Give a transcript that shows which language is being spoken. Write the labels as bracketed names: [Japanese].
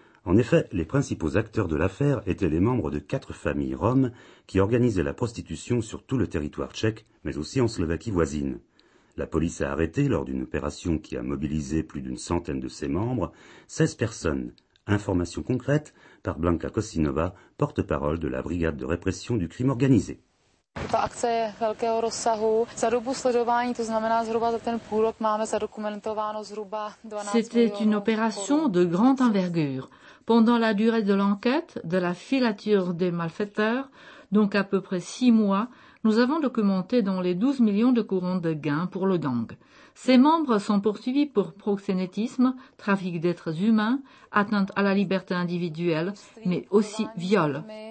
[French] En effet, les principaux acteurs de l'affaire étaient les membres de quatre familles roms qui organisaient la prostitution sur tout le territoire tchèque, mais aussi en Slovaquie voisine. La police a arrêté, lors d'une opération qui a mobilisé plus d'une centaine de ses membres, 16 personnes. Information concrète par Blanka Kosinova, porte-parole de la brigade de répression du crime organisé. [Czech] Ta akce je velkého rozsahu. Za dobu sledování, to znamená zhruba za ten půl rok, máme zadokumentováno zhruba 12. [French] C'était une opération de grande envergure. Pendant la durée de l'enquête, de la filature des malfaiteurs, donc à peu près 6 mois, nous avons documenté dans les 12 millions de courants de gains pour le gang. Ses membres sont poursuivis pour proxénétisme, trafic d'êtres humains, atteinte à la liberté individuelle, mais aussi viol.